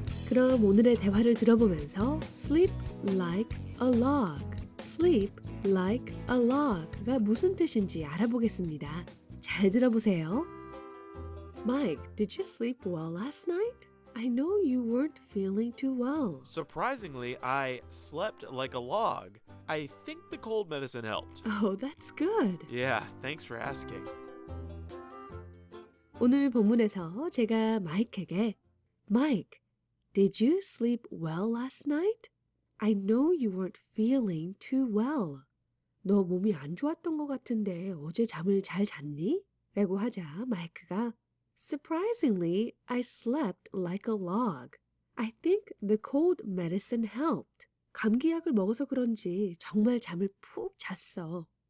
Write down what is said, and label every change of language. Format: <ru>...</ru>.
<ko>그럼 오늘의 대화를 들어보면서 sleep like a log, sleep like a log가 무슨 뜻인지 알아보겠습니다. 잘 들어보세요.</ko> <en>Mike, did you sleep well last night? I know you weren't feeling too well. Surprisingly, I slept like a log. I think the cold medicine helped. Oh, that's good. Yeah, thanks for asking.</en> <ko>오늘 본문에서 제가 마이크에게</ko> <en>Mike, Did you sleep well last night? I know you weren't feeling too well.</en> <ko>너 몸이 안 좋았던 것 같은데 어제 잠을 잘 잤니? 라고 하자 마이크가</ko> <en>Surprisingly, I slept like a log. I think the cold medicine helped.</en> <ko>감기약을 먹어서 그런지 정말 잠을 푹 잤어.</ko>